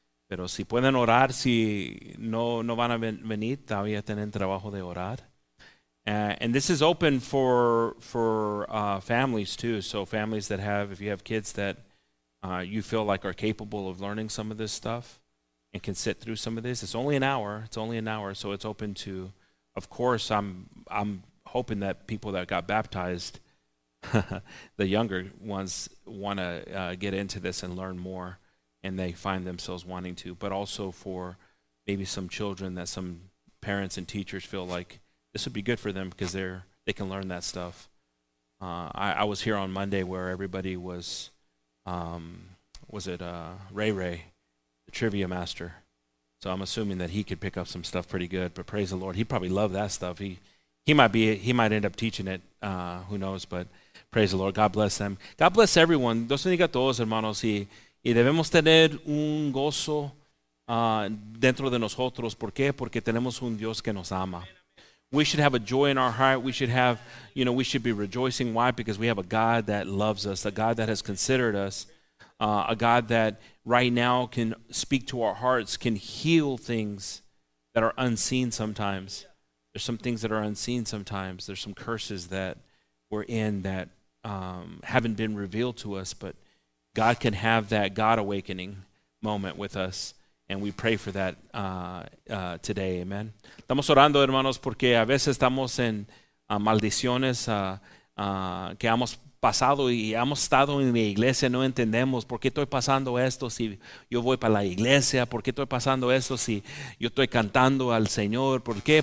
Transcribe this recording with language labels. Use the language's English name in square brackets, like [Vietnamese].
[Spanish] Pero si pueden orar, si no van a venir, todavía tienen trabajo de orar. [English] And this is open for families too. So families that have, if you have kids that you feel like are capable of learning some of this stuff and can sit through some of this, it's only an hour. It's only an hour. So it's open to, of course, I'm hoping that people that got baptized, the younger ones, want to get into this and learn more. And they find themselves wanting to, but also for maybe some children that some parents and teachers feel like this would be good for them because they can learn that stuff. I was here on Monday where everybody was Ray Ray, the trivia master. So I'm assuming that he could pick up some stuff pretty good. But praise the Lord, he'd probably love that stuff. He might end up teaching it. Who knows? But praise the Lord. God bless them. God bless everyone. [Spanish] Dios bendiga a todos, hermanos. Y debemos tener un gozo dentro de nosotros. ¿Por qué? Porque tenemos un Dios que nos ama. [English] We should have a joy in our heart. We should have, you know, we should be rejoicing. Why? Because we have a God that loves us, a God that has considered us, a God that right now can speak to our hearts, can heal things that are unseen sometimes. There's some things that are unseen sometimes. There's some curses that we're in that haven't been revealed to us, but God can have that God awakening moment with us, and we pray for that today, amen. [Spanish] Estamos orando, hermanos, porque a veces estamos en maldiciones que hemos pasado y hemos estado en la iglesia, no entendemos por qué estoy pasando esto si yo voy para la iglesia, por qué estoy pasando esto si yo estoy cantando al Señor, ¿por qué?